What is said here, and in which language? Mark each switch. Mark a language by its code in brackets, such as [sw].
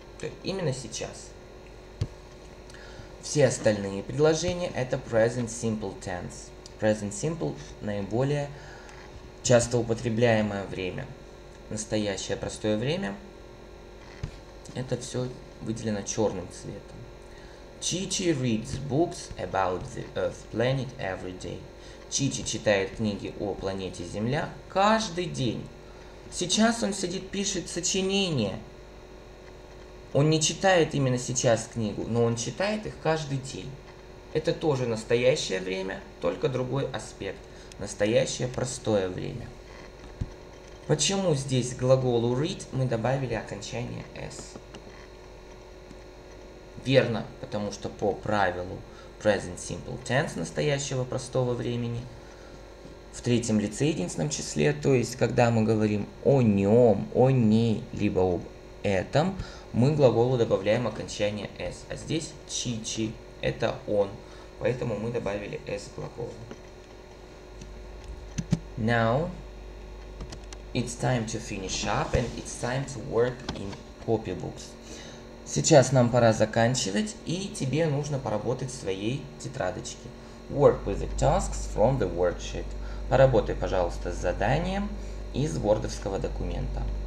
[ru] То есть, именно сейчас. Все остальные предложения – это present simple tense. Present simple – наиболее часто употребляемое время. Настоящее простое время – это все выделено черным цветом. [en] Chichi reads books about the Earth planet every day. [ru] Chichi читает книги о планете Земля каждый день. Сейчас он сидит, пишет сочинение. Он не читает именно сейчас книгу, но он читает их каждый день. Это тоже настоящее время, только другой аспект. Настоящее простое время. Почему здесь к глаголу read мы добавили окончание s? Верно, потому что по правилу present simple tense настоящего простого времени в третьем лице единственном числе, то есть когда мы говорим о нем, о ней, либо об этом, мы к глаголу добавляем окончание s. А здесь Chichi, это он. Поэтому мы добавили s к глаголу. [en] Now it's time to finish up and it's time to work in copybooks. [ru] Сейчас нам пора заканчивать, и тебе нужно поработать в своей тетрадочке. [en] Work with the tasks from the worksheet. [ru] Поработай, пожалуйста, с заданием из вордовского документа.